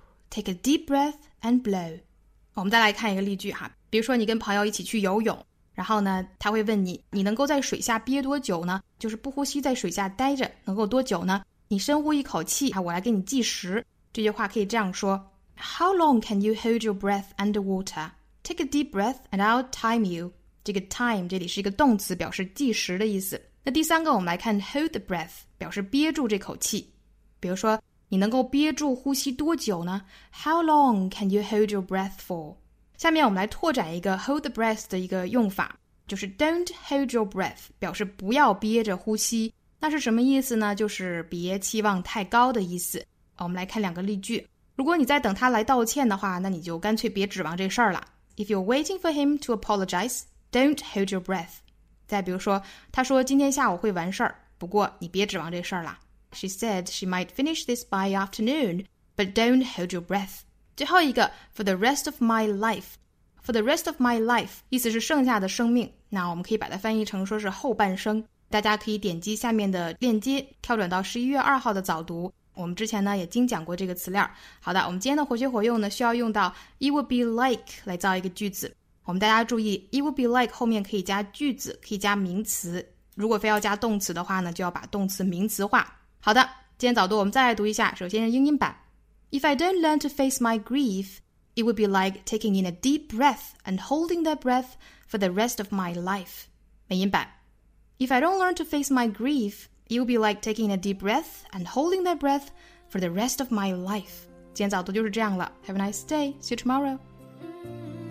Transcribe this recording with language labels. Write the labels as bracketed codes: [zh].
[en] Take a deep breath and blow. [zh] 我们再来看一个例句哈，比如说你跟朋友一起去游泳，然后呢他会问你，你能够在水下憋多久呢？就是不呼吸在水下待着能够多久呢？你深呼一口气，我来给你计时。这句话可以这样说， [en] How long can you hold your breath underwater? Take a deep breath and I'll time you. [zh] 这个 time 这里是一个动词，表示计时的意思。那第三个我们来看 [en] hold the breath, [zh] 表示憋住这口气。比如说你能够憋住呼吸多久呢？ [en] How long can you hold your breath for? [zh] 下面我们来拓展一个 [en] hold the breath [zh] 的一个用法，就是 [en] don't hold your breath, [zh] 表示不要憋着呼吸。那是什么意思呢？就是别期望太高的意思。我们来看两个例句。如果你在等他来道歉的话，那你就干脆别指望这事儿了。 [en] If you're waiting for him to apologize, don't hold your breath. [zh] 再比如说，他说今天下午会完事儿，不过你别指望这事儿了。 [en] She said she might finish this by afternoon, but don't hold your breath. [zh] 最后一个 [en] for the rest of my life. For the rest of my life [zh] 意思是剩下的生命，那我们可以把它翻译成说是后半生。大家可以点击下面的链接跳转到11月2号的早读，我们之前呢也经讲过这个词链。好的，我们今天的活学活用呢需要用到 [en] it would be like [zh] 来造一个句子。我们大家注意 [en] it would be like [zh] 后面可以加句子，可以加名词，如果非要加动词的话呢，就要把动词名词化。好的，今天早读我们再来读一下，首先是英音版。 [en] If I don't learn to face my grief, it would be like taking in a deep breath and holding that breath for the rest of my life. [zh] 美音版。 [en] If I don't learn to face my grief, it would be like taking in a deep breath and holding that breath for the rest of my life. [zh] 今天早读就是这样了。 [en] Have a nice day. See you tomorrow.